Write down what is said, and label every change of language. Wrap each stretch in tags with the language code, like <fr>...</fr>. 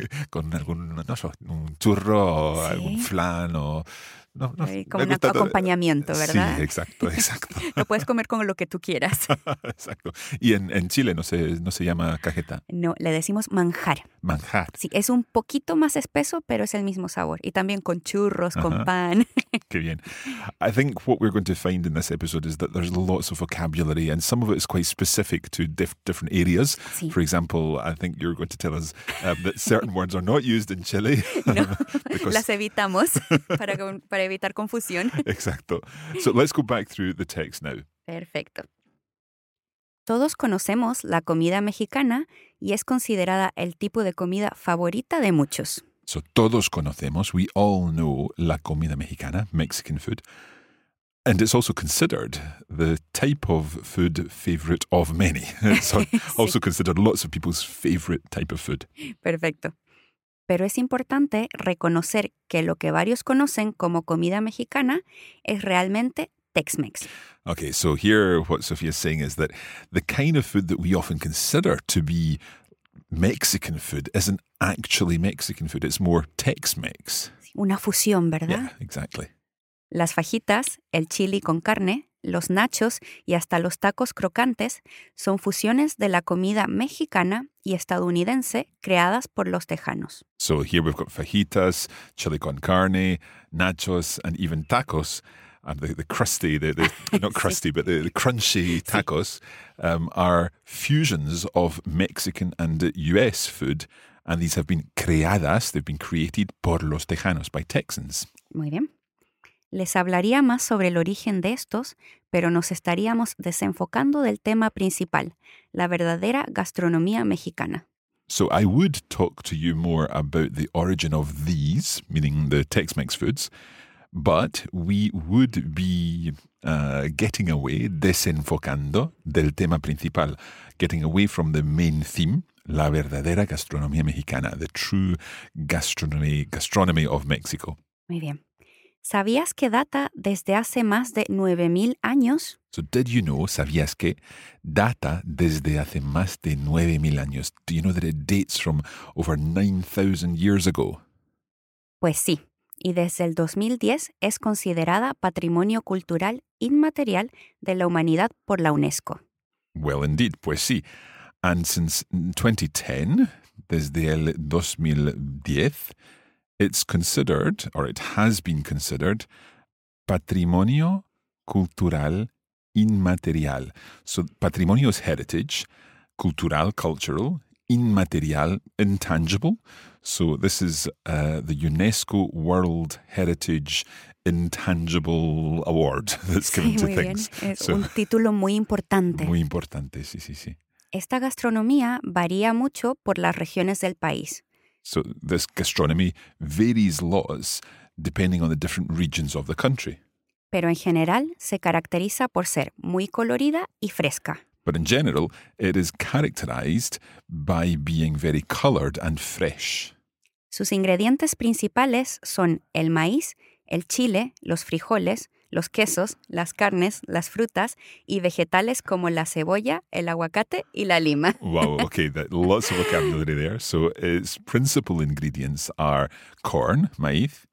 <es>Con algún, no sé, un churro o algún flan o... Como un acompañamiento, ¿verdad? Sí, exacto, exacto. Lo puedes comer con lo que tú quieras. Exacto. Y en Chile no se llama cajeta. No, le decimos manjar. Manjar. Sí, es un poquito más espeso, pero es el mismo sabor. Y también con churros, con pan. Qué bien.</es> <en>I think what we're going to find in this episode is that there's lots of vocabulary and some of it is quite specific to different areas.</en> <es>Sí.</es> <en>For example, I think you're going to tell us that certain words are not used in Chile. No, because...</en> <es>las evitamos para evitar confusión. Exacto.</es> <en>So let's go back through the text now.</en> <es>Perfecto. Todos conocemos la comida mexicana y es considerada el tipo de comida favorita de muchos.</es> <en>So</en> <es>todos conocemos,</es> <en>we all know</en> <es>la comida mexicana,</es> <en>Mexican food. And it's also considered the type of food favorite of many. So</en> <es>sí.</es> <en>Also considered lots of people's favorite type of food.</en> <es>Perfecto. Pero es importante reconocer que lo que varios conocen como comida mexicana es realmente Tex-Mex.</es> <en>Okay, so here what Sophia is saying is that the kind of food that we often consider to be Mexican food isn't actually Mexican food, it's more Tex-Mex.</en> <es>Una fusión, ¿verdad?</es> <en>Yeah, exactly.</en> <es>Las fajitas, el chili con carne, los nachos y hasta los tacos crocantes son fusiones de la comida mexicana y estadounidense creadas por los tejanos.</es> <en>So here we've got fajitas, chili con carne, nachos and even tacos. And the crusty, the not crusty,</en> <es>sí.</es> <en>But the crunchy tacos sí. Are fusions of Mexican and U.S. food. And these have been</en> <es>creadas,</es> <en>they've been created</en> <es>por los tejanos,</es> <en>by Texans.</en> <es>Muy bien. Les hablaría más sobre el origen de estos, pero nos estaríamos desenfocando del tema principal, la verdadera gastronomía mexicana.</es> <en>So I would talk to you more about the origin of these, meaning the Tex-Mex foods, but we would be getting away,</en> <es>desenfocando del tema principal,</es> <en>getting away from the main theme,</en> <es>la verdadera gastronomía mexicana,</es> <en>the true gastronomy of Mexico.</en> <es>Muy bien. ¿Sabías que data desde hace más de 9,000 años?</es> <en>So did you know,</en> <es>sabías que data desde hace más de 9,000 años?</es> <en>Do you know that it dates from over 9,000 years ago?</en> <es>Pues sí. Y desde el 2010 es considerada Patrimonio Cultural Inmaterial de la Humanidad por la UNESCO.</es> <en>Well, indeed,</en> <es>pues sí.</es> <en>And since 2010,</en> <es>desde el 2010,</es> <en>it's considered, or it has been considered,</en> <es>Patrimonio Cultural Inmaterial.</es> <en>So, patrimonio is heritage, cultural, inmaterial, intangible. So this is the UNESCO World Heritage Intangible Award that's given</en> <es>sí,</es> <en>to things.</en> <es>Bien. Es un título muy importante. Muy importante, sí, sí, sí. Esta gastronomía varía mucho por las regiones del país.</es> <en>So this gastronomy varies lots depending on the different regions of the country.</en> <es>Pero en general se caracteriza por ser muy colorida y fresca.</es> <en>But in general, it is characterized by being very colored and fresh.</en> <es>Sus ingredientes principales son el maíz, el chile, los frijoles, los quesos, las carnes, las frutas y vegetales como la cebolla, el aguacate y la lima.</es> <en>Wow, okay, lots of vocabulary there. So its principal ingredients are corn, maíz,</en>